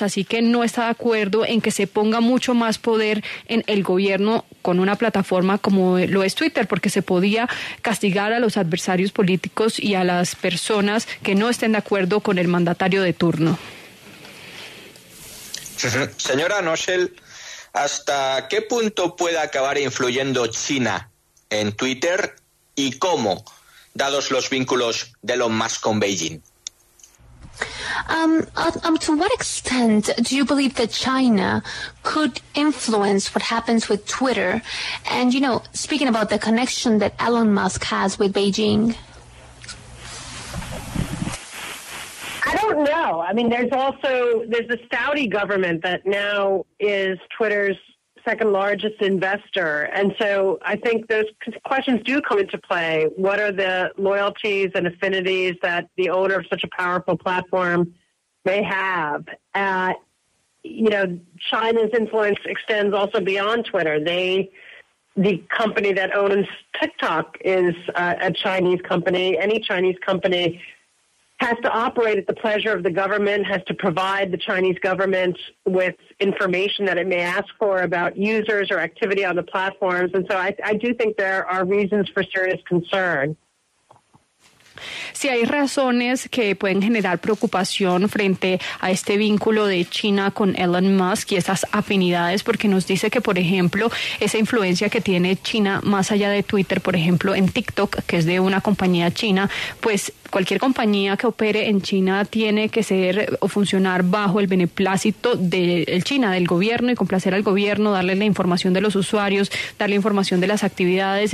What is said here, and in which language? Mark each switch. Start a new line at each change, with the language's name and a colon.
Spanish: Así que no está de acuerdo en que se ponga mucho más poder en el gobierno con una plataforma como lo es Twitter, porque se podía castigar a los adversarios políticos y a las personas que no estén de acuerdo con el mandatario de turno. Señora Noschel, ¿hasta qué punto puede acabar influyendo China en Twitter y cómo, dados los vínculos de Elon Musk con Beijing?
English: To what extent do you believe that China could influence what happens with Twitter? And, you know, speaking about the connection that Elon Musk has with Beijing. I don't know. I mean, there's the Saudi government that now is Twitter's second largest investor. And so I think those questions do come into play. What are the loyalties and affinities that the owner of such a powerful platform may have? You know, China's influence extends also beyond Twitter. The company that owns TikTok is a Chinese company. Any Chinese company has to operate at the pleasure of the government, has to provide the Chinese government with information that it may ask for about users or activity on the platforms. And so I do think there are reasons for serious concern.
Spanish: Sí, hay razones que pueden generar preocupación frente a este vínculo de China con Elon Musk y esas afinidades, porque nos dice que, por ejemplo, esa influencia que tiene China más allá de Twitter, por ejemplo, en TikTok, que es de una compañía china, pues cualquier compañía que opere en China tiene que ser o funcionar bajo el beneplácito del China, del gobierno, y complacer al gobierno, darle la información de los usuarios, darle información de las actividades.